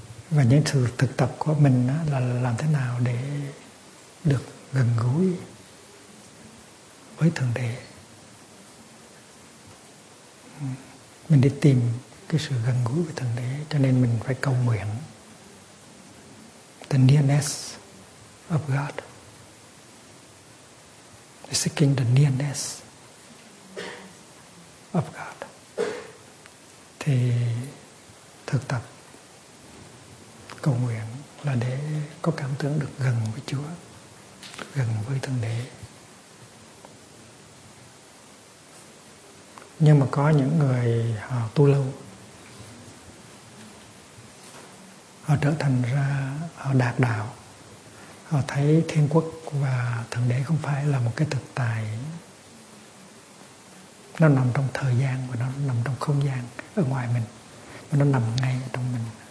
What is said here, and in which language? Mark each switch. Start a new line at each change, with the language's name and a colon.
Vietnamese: Và những sự thực tập của mình là làm thế nào để được gần gũi với thượng đế. Mình đi tìm cái sự gần gũi với thượng đế, cho nên mình phải cầu nguyện
English: the nearness of God. Seeking the nearness of God.
Vietnamese: Thì thực tập cầu nguyện là để có cảm tưởng được gần với Chúa, gần với thượng đế. Nhưng mà có những người họ tu lâu, họ trở thành ra, họ đạt đạo, họ thấy thiên quốc và thượng đế không phải là một cái thực tại, nó nằm trong thời gian và nó nằm trong không gian ở ngoài mình, mà nó nằm ngay trong mình.